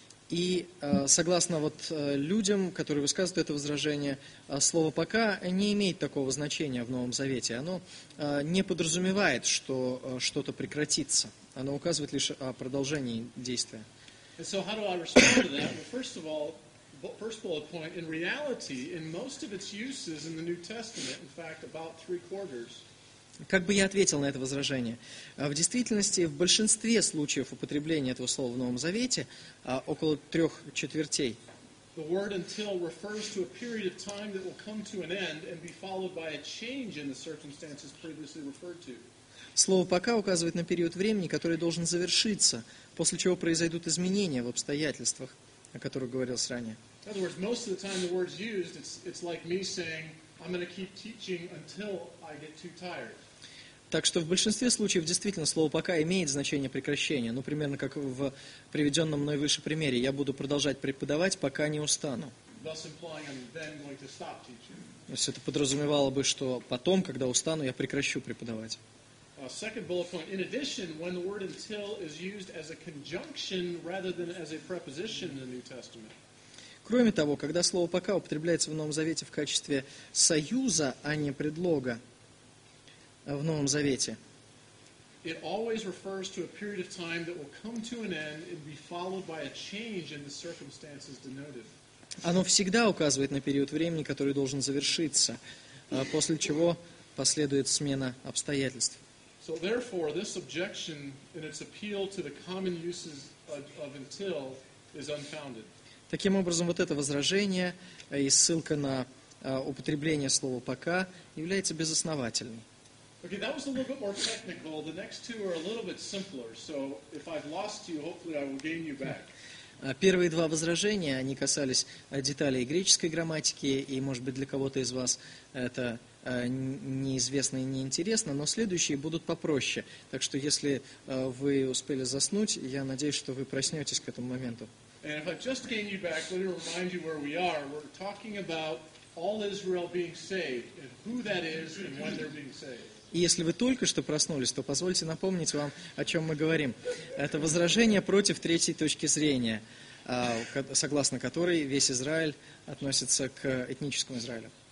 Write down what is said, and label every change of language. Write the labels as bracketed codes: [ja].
[ru] И согласно вот людям, которые высказывают это возражение, слово «пока» не имеет такого значения в Новом Завете. Оно не подразумевает, что что-то прекратится. Оно указывает лишь о продолжении действия. [en] And so how do I respond to that? Well, first of all, first bullet point, in reality, in most of its uses in the New Testament, in fact, about three quarters. [ru] Как бы я ответил на это возражение? В действительности, в большинстве случаев употребления этого слова в Новом Завете, около трех четвертей, [en] the word until refers to a period of time that will come to an end and be followed by a change in the circumstances previously referred to. [ru] Слово «пока» указывает на период времени, который должен завершиться, после чего произойдут изменения в обстоятельствах, о которых говорилось ранее. [en] In other words, most of the time the word's used, it's like me saying, I'm going to keep teaching until I get too tired. [ru] Так что в большинстве случаев действительно слово «пока» имеет значение прекращения. Ну, примерно как в приведенном мной выше примере. Я буду продолжать преподавать, пока не устану. [en] Thus implying I'm then going to stop teaching. [ru] То есть это подразумевало бы, что потом, когда устану, я прекращу преподавать. [en] Second bullet point. In addition, when the word until is used as a conjunction rather than as a preposition in the New Testament. [ru] Кроме того, когда слово «пока» употребляется в Новом Завете в качестве союза, а не предлога в Новом Завете, [en] it always refers to a period of time that will come to an end and be followed by a change in the circumstances denoted. [ru] Оно всегда указывает на период времени, который должен завершиться, после чего последует смена обстоятельств. [en] So therefore, this objection and its appeal to the common uses of until is unfounded. [ru] Таким образом, вот это возражение и ссылка на употребление слова «пока» является безосновательной. [en] Okay, that was a little bit more technical. The next two are a little bit simpler. So if I've lost you, hopefully I will gain you back. [ru] Первые два возражения, они касались деталей греческой грамматики, и, может быть, для кого-то из вас это неизвестно и неинтересно, но следующие будут попроще. Так что, если вы успели заснуть, я надеюсь, что вы проснетесь к этому моменту. [en] And if I've just gained you back, let me remind you where we are. We're talking about all Israel being saved, and who that is, and when they're being saved. [ru] И если вы только что проснулись, то позвольте напомнить вам, о чем мы говорим. Это возражение против третьей точки зрения, согласно которой весь Израиль относится к этническому Израилю.